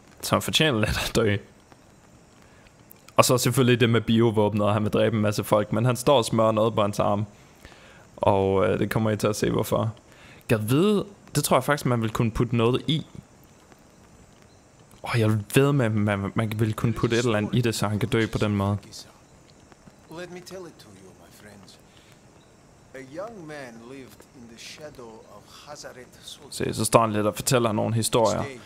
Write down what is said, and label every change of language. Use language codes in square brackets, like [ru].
[da] Så han fortjener lidt at dø. Og så selvfølgelig det med biovåbnet, og han vil dræbe en masse folk, men han står og smører noget på hans arm. Og det kommer I til at se, hvorfor. Jeg ved, det tror jeg faktisk, man vil kunne putte noget i. Og jeg ved med, at man vil kunne putte et eller andet i det, så han kan dø på den måde. [en] Let me tell it to you, my friends. A young man lived in the shadow of Hazaret Sultan. [da] Se, så står han lidt og fortæller nogle historier.